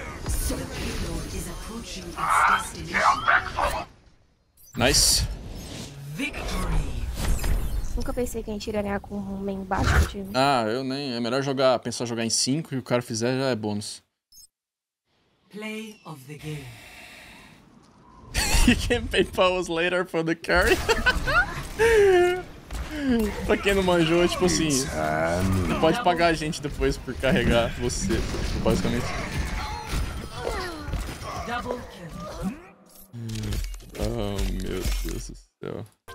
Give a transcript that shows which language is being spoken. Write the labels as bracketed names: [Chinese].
[English] So the payload is approaching its destination. Nice. Victory. [Portuguese] Nunca pensei que a gente iria ganhar com um homem embaixo do time. Ah, eu nem. É melhor jogar, pensar jogar em 5 e o cara fizer já é bônus. [English] Play of the game. You can pay pause later for the carry. [Portuguese] Pra quem não manjou, é tipo assim. Não pode pagar a gente depois por carregar você, basicamente. [English] Double kill. [Portuguese] Oh meu Deus do céu.